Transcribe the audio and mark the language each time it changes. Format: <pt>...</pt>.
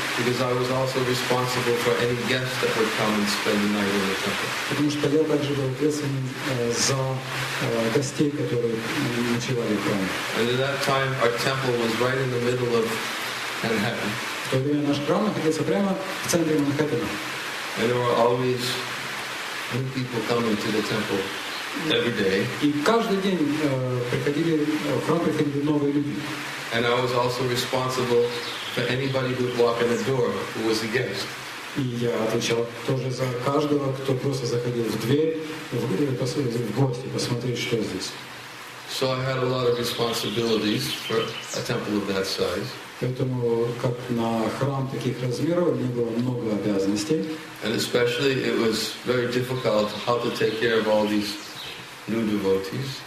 <en>Because I was also responsible for any guests that would come and spend the night in the temple.</en> <ru>Потому что я также был ответственен за гостей, которые ночевали в храме.</ru> <en>And at that time our temple was right in the middle of Manhattan.</en> <ru>В то время наш храм находился прямо в центре Манхэттена.</ru> <en>And there were always new people coming to the temple. Every day.</en> <ru>И каждый день приходили в храм приходили новые люди.</ru> <en>And I was also responsible for anybody who would walk in the door who was a guest.</en> <ru>И я отвечал тоже за каждого, кто просто заходил в дверь, в гости, посмотреть, что здесь.</ru> <en>So I had a lot of responsibilities for a temple of that size.</en> <ru>Поэтому как на храм таких размеров у меня было много обязанностей.</ru> <en>And especially it was very difficult how to take care of all these new devotees.</en>